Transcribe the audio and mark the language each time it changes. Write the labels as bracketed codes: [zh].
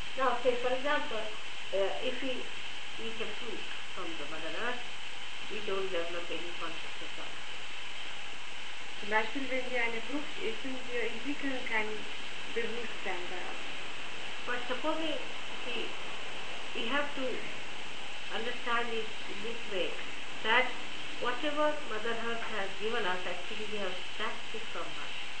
[en] Now, say for example, if we eat a fruit from the Mother Earth, we don't develop any consciousness of it. [de] Zum Beispiel, wenn wir eine Frucht essen, wir entwickeln kein Bewusstsein daran. [en] But suppose we have to understand it in this way, that whatever Mother Earth has given us, actually we have snatched it from her.